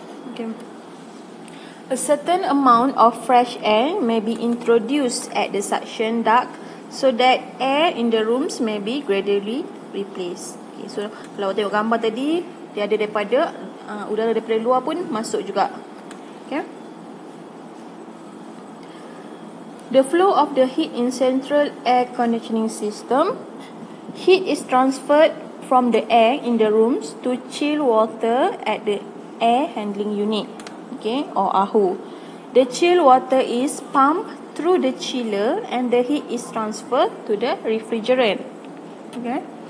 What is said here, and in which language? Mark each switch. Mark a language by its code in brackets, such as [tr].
[en] Okay. A certain amount of fresh air may be introduced at the suction duct so that air in the rooms may be gradually replaced. [ms] Okay, so kalau tengok gambar tadi, dia ada daripada udara daripada luar pun masuk juga. Okay. [en] The flow of the heat in central air conditioning system. Heat is transferred from the air in the rooms to chilled water at the air handling unit. Okay, or Ahu. The chilled water is pumped through the chiller and the heat is transferred to the refrigerant. Okay.